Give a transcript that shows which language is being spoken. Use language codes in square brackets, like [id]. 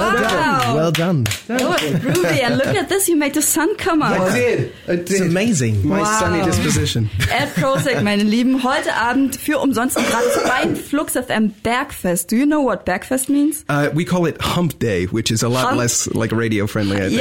[en] Groovy, and look at this, you made the sun come out. I did. It's amazing. My sunny disposition. [de] @prosaic, meine Lieben, heute Abend für umsonst und gratis beim Flux FM Bergfest. [en] Do you know what Bergfest means? We call it Hump Day, which is a lot less like radio friendly, I think.